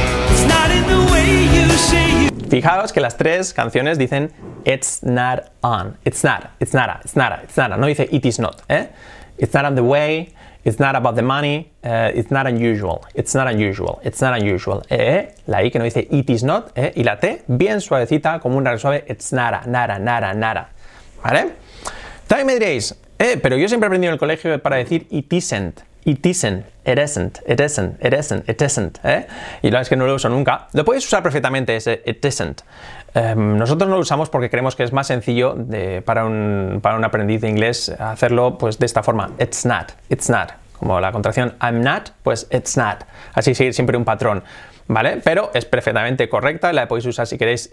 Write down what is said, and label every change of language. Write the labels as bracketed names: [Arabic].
[English] It's not in the way you say you... [Spanish] Fijaos que las tres canciones dicen [English] it's not on, it's not, it's not, it's not, it's not, [Spanish] no dice [English] it is not, ¿eh? It's not on the way, it's not about the money, it's not unusual, it's not unusual, it's not unusual, ¿eh? [Spanish] La I que no dice [English] it is not, [Spanish] ¿eh? Y la T bien suavecita, como una suave, [English] it's not, [Spanish] nada, nada, nada, ¿vale? También me diréis, pero yo siempre he aprendido en el colegio para decir [English] it isn't. It isn't, it isn't, it isn't, it isn't, it isn't, ¿eh? [Spanish] Y la verdad es que no lo uso nunca. Lo puedes usar perfectamente ese [English] it isn't. [Spanish] Nosotros no lo usamos porque creemos que es más sencillo de, para un aprendiz de inglés hacerlo pues de esta forma. [English] It's not, [Spanish] como la contracción [English] I'm not, pues it's not. [Spanish] Así seguir siempre un patrón, ¿vale? Pero es perfectamente correcta, la podéis usar si queréis.